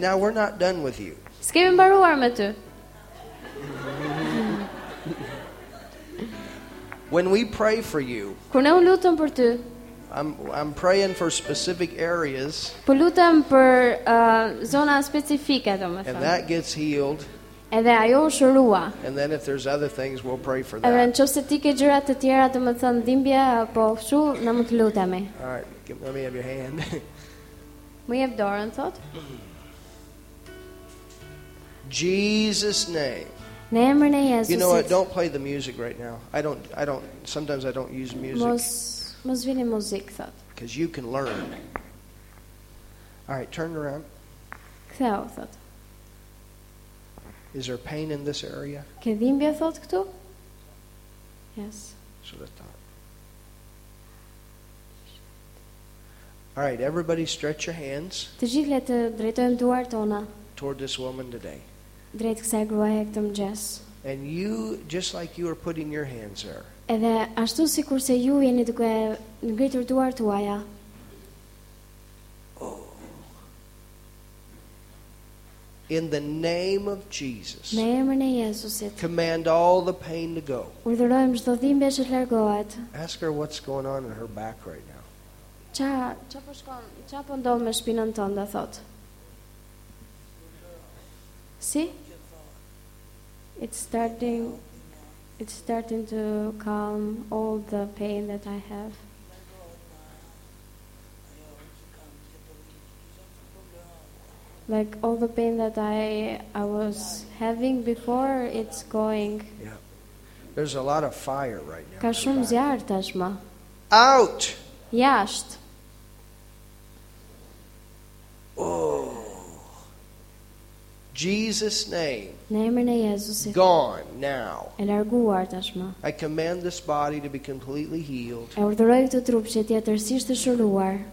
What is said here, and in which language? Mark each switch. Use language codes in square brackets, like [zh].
[en] Now we're not done with you. [sq] S'kemi mbaruar me ty. [en] When we pray for you. [sq] Kur ne u lutëm për ty. [en] I'm praying for specific areas. [sq] Po lutem për zona specifike, domethënë. [en] And that gets healed. [sq] Edhe ajo u shërua. [en] And then if there's other things we'll pray for that. [sq] Edhe nëse ti ke gjëra të tjera, domethënë dhimbje apo kështu, na mund të lutemi. [en] All right, give, let me have your hand. [sq] Mu jep dorën, thot. [en] Jesus name. [sq] Në emrin e Jezusit. [en] You know, I don't play the music right now. I don't sometimes I don't use music. [sq] Mos vini muzikë thot. [en] Because you can learn. All right, turn around. [sq] Ktheu thot. [en] Is there pain in this area? [sq] Ke dhimbje thot këtu? Yes. [en] Shoulder thot. All right, everybody stretch your hands. [sq] Të gjithë le të drejtojmë duart tona. [en] Toward this woman today. [sq] Drejt kësaj gruaje këtë mëngjes. [en] And you just like you are putting your hands there. [sq] Edhe ashtu sikurse ju jeni duke ngritur duart tuaja. Oh. [en] In the name of Jesus. [sq] Në emrin e Jezusit. [en] Command all the pain to go. [sq] Urdhërojmë çdo dhimbje që largohet. [en] Ask her what's going on in her back right now. [sq] Ça po shkon? Ça po ndodh me shpinën tënde thot? Si? [en] It's starting to calm all the pain that I have. Like all the pain that I was having before, it's going. Yeah. There's a lot of fire right now. [sq] Ka shumë zjarr tashmë. [en] Out. [sq] Jasht. [en] Jesus name. [sq] Në emrin e Jezusit. [en] Gone now. [sq] E larguar tashmë. [en] I command this body to be completely healed. [sq] E urdhëroj këtë trup që të jetë tërësisht të shëruar.